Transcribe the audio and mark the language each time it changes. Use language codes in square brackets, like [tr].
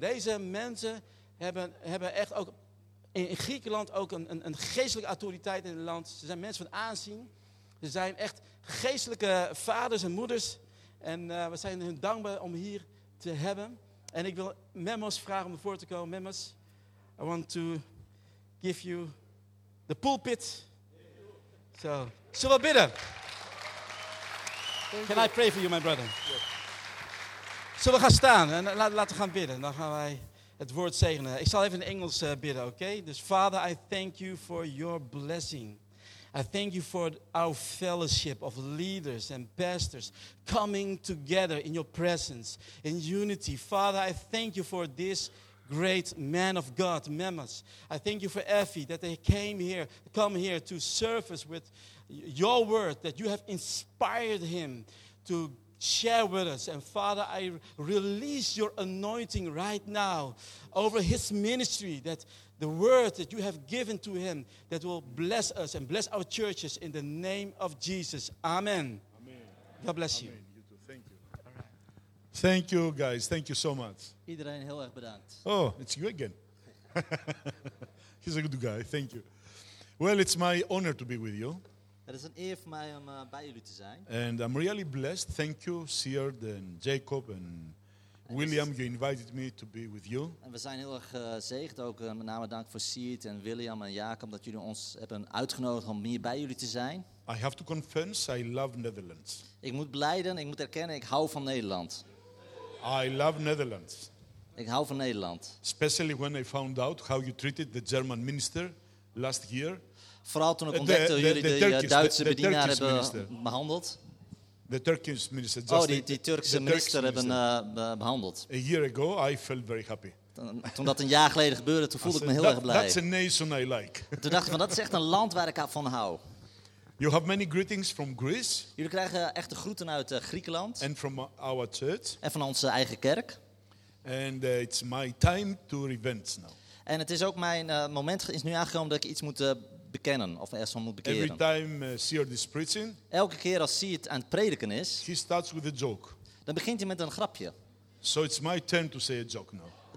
[nl] Deze mensen hebben echt ook in Griekenland ook een geestelijke autoriteit in het land. Ze zijn mensen van aanzien. Ze zijn echt geestelijke vaders en moeders. En we zijn hun dankbaar om hier te hebben. En ik wil Memos vragen om ervoor te komen. [en] Memos, I want to give you the pulpit. [nl] So, zullen we bidden? [en] Can I pray for you, my brother? Yes. [nl] Zullen we gaan staan en laten we gaan bidden? Dan gaan wij het woord zegenen. Ik zal even in Engels bidden, oké? [en] Okay? [nl] Dus, [en] Father, I thank you for your blessing. I thank you for our fellowship of leaders and pastors coming together in your presence, in unity. Father, I thank you for this great man of God, Memos. I thank you for Effie, that they come here to serve us with your word, that you have inspired him to share with us. And Father, I release your anointing right now over his ministry, that the word that you have given to him that will bless us and bless our churches in the name of Jesus. Amen. Amen. God bless Amen. You. You too. Thank you. All right. Thank you, guys. Thank you so much. [nl] Iedereen heel erg bedankt. [en] Oh, it's you again. He's a good guy. Thank you. Well, it's my honor to be with you. [nl] Het is een eer voor mij om bij jullie te zijn. [en] And I'm really blessed. Thank you, Seard and Jacob and William, you invited me to be with you. [nl] En we zijn heel erg gezegend ook, met name dank voor Seard en William en Jacob dat jullie ons hebben uitgenodigd om hier bij jullie te zijn. [en] I have to confess, I love Netherlands. [nl] Ik moet blijden, ik moet erkennen, ik hou van Nederland. [en] I love Netherlands. [nl] Ik hou van Nederland. [en] Especially when I found out how you treated the German minister last year. [nl] Vooral toen ik ontdekte hoe jullie de Duitse bedienaar hebben behandeld. [en] The Turkish minister. [nl] Die Turkse minister hebben behandeld. [en] A year ago, I felt very happy. [nl] Toen dat een jaar geleden gebeurde, toen voelde ik me heel erg blij. [en] That's a nation I like. [nl] Toen dacht ik van, dat is echt een land waar ik van hou. [en] You have many greetings from Greece. [nl] Jullie krijgen echte groeten uit Griekenland. [en] And from our church. [nl] En van onze eigen kerk. [en] And it's my time to revenge now. [nl] En het is ook mijn moment is nu aangekomen dat ik iets moet bekennen of ergens van moet bekeren. [en] Every time Seard is preaching, [nl] elke keer als Seard aan het prediken is, [en] he starts with a joke. [nl] Dan begint hij met een grapje. [en] So it's my turn to say a joke now.